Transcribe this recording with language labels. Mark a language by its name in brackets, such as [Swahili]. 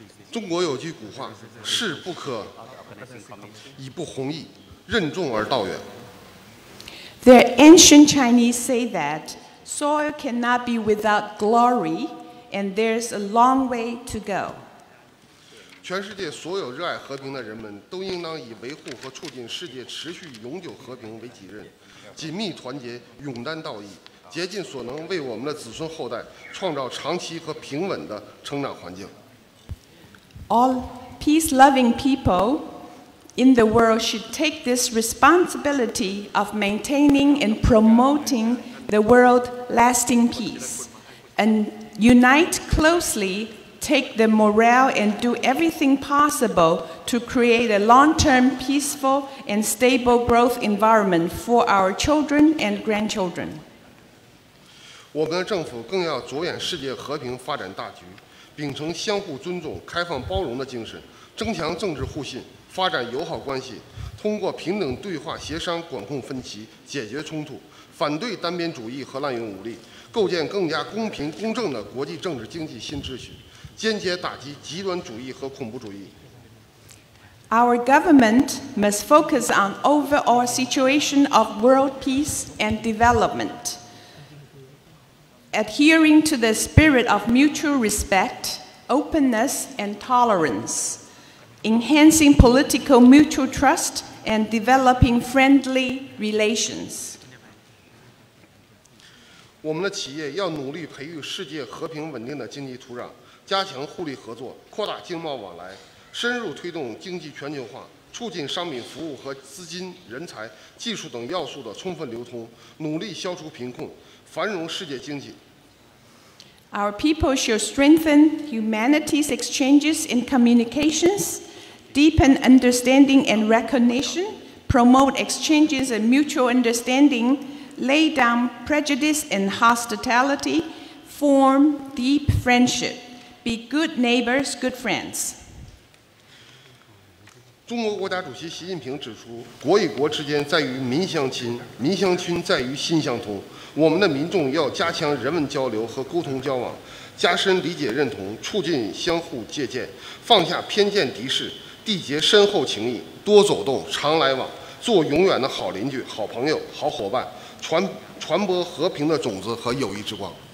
[Chinese] 中国有句古话，事不可以不弘毅，任重而道远。 [English] The ancient Chinese say that soil cannot be without glory, and there's a long way to go. [Chinese] 全世界所有热爱和平的人们都应当以维护和促进世界持续永久和平为己任，紧密团结，勇担道义，竭尽所能为我们的子孙后代创造长期和平稳的成长环境。 [English] All peace-loving people in the world should take this responsibility of maintaining and promoting the world lasting peace and unite closely, take the morale and do everything possible to create a long-term peaceful and stable growth environment for our children and grandchildren. [Chinese] 我们的政府更要着眼世界和平发展大局，秉承相互尊重、开放包容的精神，增强政治互信，发展友好关系，通过平等对话协商管控分歧，解决冲突，反对单边主义和滥用武力，构建更加公平公正的国际政治经济新秩序，坚决打击极端主义和恐怖主义。 [English] Our government must focus on overall situation of world peace and development, adhering to the spirit of mutual respect, openness, and tolerance, enhancing political mutual trust and developing friendly relations. [Chinese] 我们的企业要努力培育世界和平稳定的经济土壤，加强互利合作，扩大经贸往来，深入推动经济全球化，促进商品服务和资金、人才、技术等要素的充分流通，努力消除贫困，繁荣世界经济。 [English] Our people should strengthen humanity's exchanges in communications, deepen understanding and recognition, promote exchanges and mutual understanding, lay down prejudice and hostility, form deep friendship, be good neighbors, good friends. [Chinese] 中国国家主席习近平指出，国与国之间在于民相亲，民相亲在于心相通。我们的民众要加强人文交流和沟通交往，加深理解认同，促进相互借鉴，放下偏见敌视，缔结深厚情谊，多走动，常来往，做永远的好邻居、好朋友、好伙伴，传播和平的种子和友谊之光。